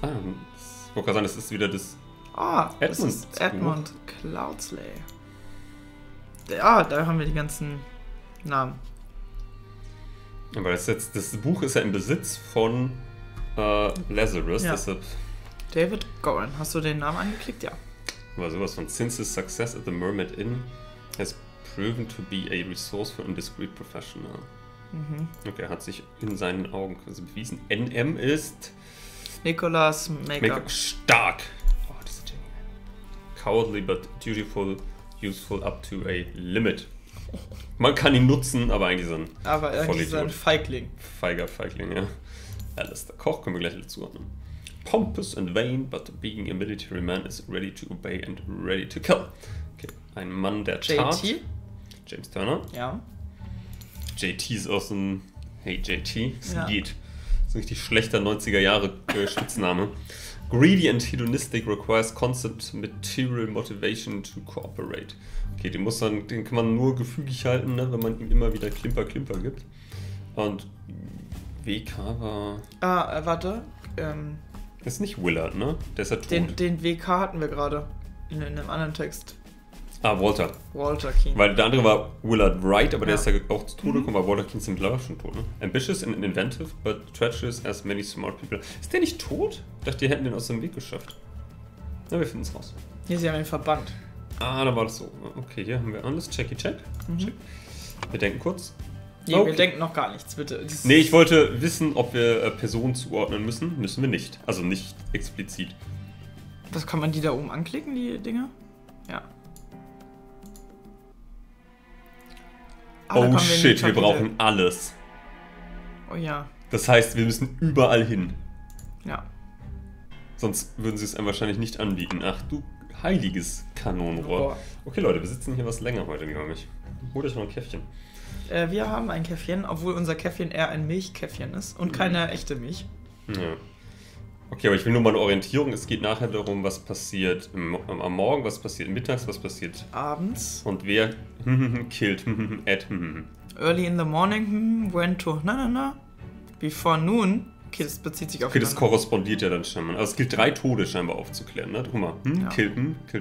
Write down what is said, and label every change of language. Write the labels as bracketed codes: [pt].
[de] Ah, das wollte sagen, das ist wieder das. Ah, Edmund. Das ist Edmund Cloudsley. Ah, da haben wir die ganzen Namen. Aber das Buch ist ja im Besitz von Lazarus. Ja. Deshalb. David Goren. Hast du den Namen angeklickt? Ja. War sowas von: [en] Since his success at the Mermaid Inn has proven to be a resourceful and discreet professional. Mhm. [de] Okay, er hat sich in seinen Augen quasi bewiesen. NM ist. Nicholas Make-up. Stark! Oh, das ist genial. [en] Cowardly but dutiful, useful up to a limit. [de] Man kann ihn nutzen, aber eigentlich so ein... Aber eigentlich so ein Feigling. Feiger Feigling, ja. Alistair Koch, können wir gleich dazu haben. [en] Pompous and vain, but being a military man is ready to obey and ready to kill. Okay, [de] ein Mann der Tat. JT? James Turner. Ja. JT ist auch so ein, hey JT, ist ein Lied. Ist ein richtig schlechter 90er Jahre Spitzname. [en] Greedy and hedonistic requires constant material motivation to cooperate. [de] Okay, den muss man, den kann man nur gefügig halten, ne, wenn man ihm immer wieder Klimper Klimper gibt. Und WK war... Ah, warte. Ist nicht Willard, ne? Der ist ja tot. Den WK hatten wir gerade in einem anderen Text. Ah, Walter. Walter Keane. Weil der andere war Willard Wright, aber der ist ja auch zu Tode gekommen, weil Walter Keane ist mittlerweile schon tot, ne? [en] Ambitious and inventive, but treacherous as many smart people. [de] Ist der nicht tot? Ich dachte, die hätten den aus dem Weg geschafft. Na, wir finden es raus. Hier, sie haben ihn verbannt. Ah, da war das so. Okay, hier haben wir alles. Checky, check. Check. Wir denken kurz. Nee, okay. Wir denken noch gar nichts, bitte. Das nee, ich wollte wissen, ob wir Personen zuordnen müssen. Müssen wir nicht. Also nicht explizit. Was kann man die da oben anklicken, die Dinger? Ja. Ah, oh shit, wir brauchen alles. Oh ja. Das heißt, wir müssen überall hin. Ja. Sonst würden sie es einem wahrscheinlich nicht anbieten. Ach du heiliges Kanonenrohr. Oh, okay Leute, wir sitzen hier was länger heute, glaube ich. Hol euch noch ein Käffchen. Wir haben ein Käffchen, obwohl unser Käffchen eher ein Milchkäffchen ist und keine echte Milch. Ja. Okay, aber ich will nur mal eine Orientierung. Es geht nachher darum, was passiert am Morgen, was passiert mittags, was passiert abends. Und wer [en] killed Ed. Early in the morning, when to, before noon. [de] Okay, das bezieht sich auf... Okay, das korrespondiert ja dann scheinbar. Also es gilt drei Tode scheinbar aufzuklären, ne? Guck mal. [en] Killed him.